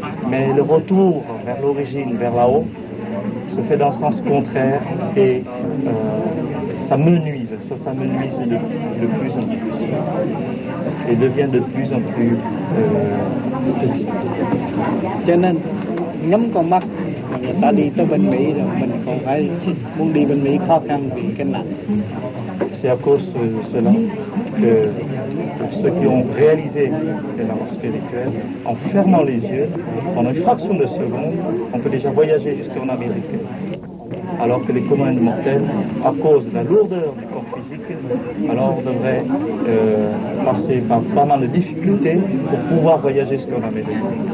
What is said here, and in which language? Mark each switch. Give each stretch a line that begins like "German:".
French: Mais le retour vers l'origine, vers là-haut, se fait dans le sens contraire et ça s'amenuise de plus en plus. Et devient de plus en plus petit.
Vietnamese: Cho nên, nhắm con mắt, người ta đi tới bên Mỹ rồi, mình còn phải muốn đi bên Mỹ khó khăn vì cái nặng.
French: C'est à cause de cela que pour ceux qui ont réalisé l'élan spirituel, en fermant les yeux, en une fraction de seconde, on peut déjà voyager jusqu'en Amérique. Alors que les communs mortels, à cause de la lourdeur du corps physique, alors devraient passer par pas mal de difficultés pour pouvoir voyager jusqu'en Amérique.